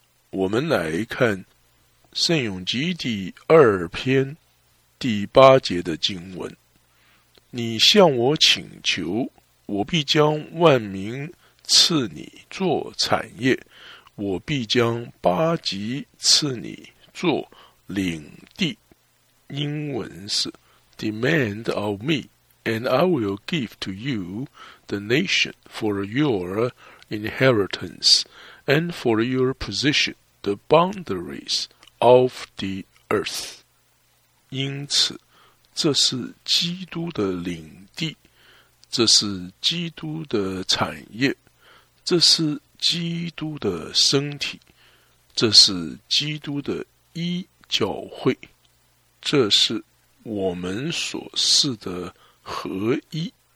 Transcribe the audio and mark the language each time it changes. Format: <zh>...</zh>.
<zh>我们来看圣咏集第二篇第八节的经文。你向我请求，我必将万民赐你做产业，我必将巴及赐你做领地。英文是</zh> <en>Demand of me, and I will give to you the nation for your inheritance and for your position, the boundaries of the earth.</en> <zh>因此这是基督的领地，这是基督的产业，这是基督的身体，这是基督的一教会，这是我们所示的合一。</zh>